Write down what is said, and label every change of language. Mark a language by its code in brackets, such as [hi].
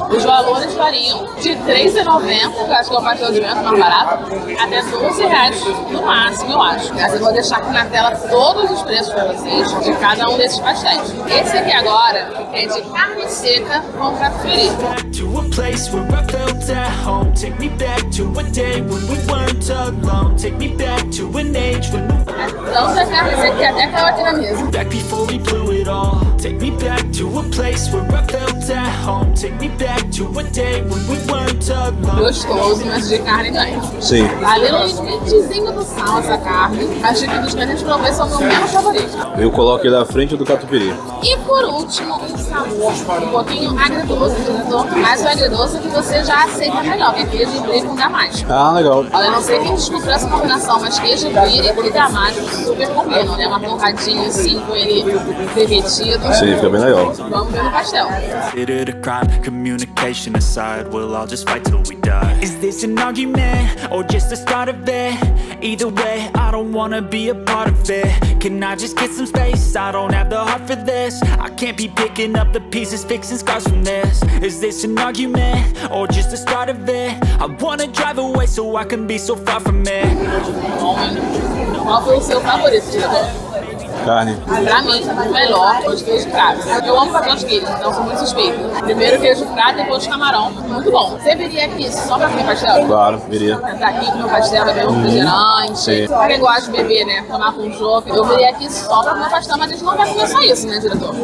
[pt] Os valores variam de R$3,90, que eu acho que é o pastel de vento mais barato, até R$12 no máximo, eu acho. Mas eu vou deixar aqui na tela todos os preços pra vocês de cada um desses pastéis. Esse aqui agora é de carne seca com catupiry. [en] At home, take me back to a day when we weren't alone. Take me back to an age when we back before we blew it all. Take me back to a place where I felt at home. Take me back to a day when we weren't alone. [pt] Gostoso, mas de carne ganha. Sim. Ali no limitezinho do sal, essa carne. Acho que dos grandes provei são meu menos favorito. Eu coloco ele à frente do catupiry. E por último, o sabor. Um pouquinho agridoso, mais agridoso que você já aceita melhor, que é queijo e brie com damasco. Ah, legal. Olha, não sei quem descobriu essa combinação, mas queijo brie e damasco super combinam, né? Uma torradinha assim com ele derretido. Sim, fica bem legal. Vamos ver no pastel. [en] Crime, communication aside, we'll all just fight till we die. Is this an argument or just the start of it? Either way, I don't wanna be a part of it. Can I just get some space? I don't have the heart for this. I can't be picking up the pieces, fixing scars from this. Is this an argument or just the start of it? I wanna drive away so I can be so far from it. [pt] Carne. Pra mim, o melhor é o de queijo prato. Eu amo pastel de queijo, então sou muito suspeito. Primeiro queijo prato, depois camarão. Muito bom. Você viria aqui só pra comer pastel? Claro, viria. Tá aqui com meu pastel, beber um refrigerante. Sim. Quem gosta de beber, né? Tomar com jogo. Eu viria aqui só pra comer pastel, mas a gente não vai comer só isso, né, diretor?